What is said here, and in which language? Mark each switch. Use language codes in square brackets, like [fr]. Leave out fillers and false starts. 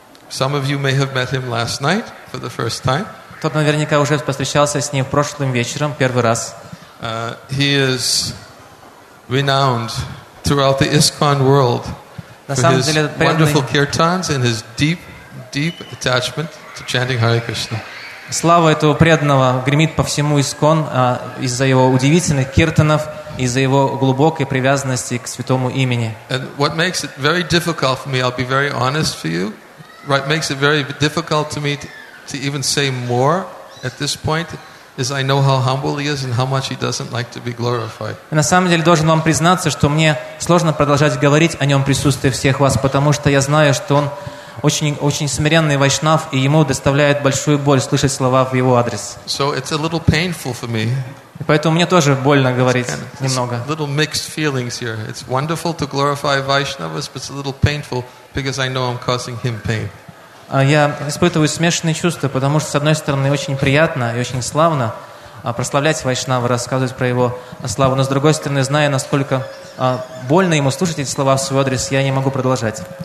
[en] Some of you may have met him last night for the first time. [ru] Тот наверняка уже встречался с ним прошлым вечером первый раз. [en] He is renowned throughout the ISKCON world. [ru] На самом деле, [en] wonderful kirtans and his deep, deep attachment to chanting Hare Krishna. [ru] Слава этого преданного гремит по всему ИСКОН из-за его удивительных киртанов, из-за его глубокой привязанности к святому имени. [en] And what makes it very difficult for me, I'll be very honest for you, right, makes it very difficult to me to even say more at this point. Is I know how humble he is and how much he doesn't like to be glorified. [ru] На самом деле должен вам признаться, что мне сложно продолжать говорить о нем в присутствии всех вас, потому что я знаю, что он очень смиренный вайшнав, и ему доставляет большую боль слышать слова в его адрес. [en] So it's a little painful for me. [ru] И поэтому мне тоже больно говорить [en] kind of, [ru] немного. [en] Little mixed feelings here. It's wonderful to glorify Vaishnavas, but it's a little painful because I know I'm causing him pain. [ru] Я испытываю смешанные чувства, потому что, с одной стороны, очень приятно и очень славно прославлять Вайшнава, рассказывать про его славу, но, с другой стороны, зная, насколько больно ему слушать эти слова в свой адрес, я не могу продолжать.